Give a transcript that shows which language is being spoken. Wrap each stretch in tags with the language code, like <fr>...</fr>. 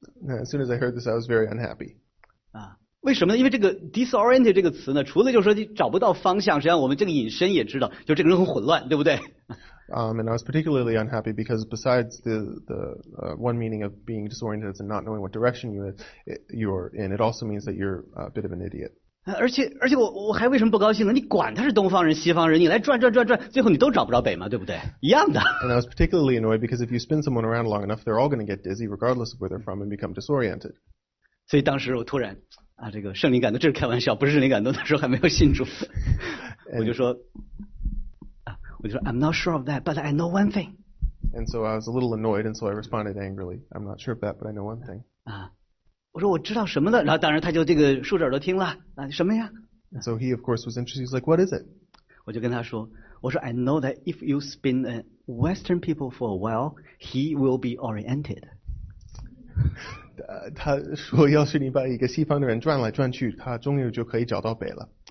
<en>As soon as I heard this, I was very unhappy.</en> <zh>啊，为什么呢？因为这个 disoriented 这个词呢，除了就是说你找不到方向，实际上我们这个引申也知道，就这个人很混乱，对不对？</zh> <en>And I was particularly unhappy because besides the one meaning of being disoriented and not knowing what direction you're in, it also means that you're a bit of an idiot.</en> <zh>而且我还为什么不高兴呢？你管他是东方人西方人，你来转转转转，最后你都找不着北嘛，对不对？一样的。</zh> <en>And I was particularly annoyed because if you spin someone around long enough, they're all going to get dizzy, regardless of where they're from, and become disoriented.</en> <zh>所以当时我突然啊，这个圣灵感动，这是开玩笑，不是圣灵感动，那时候还没有信主，我就说。</zh> <en>I'm not sure of that, but I know one thing. And so I was a little annoyed, and so I responded angrily. I'm not sure of that, but I know one thing.</en> <zh>啊，我说我知道什么了，然后当然他就这个竖着耳朵听了，啊，什么呀？</zh> <en>And so he of course was interested. He's like, what is it? 我就跟他说，我说 I know that if you spin a Western people for a while, he will be oriented.</en> <zh>他说要是你把一个西方的人转来转去，他终于就可以找到北了。</zh>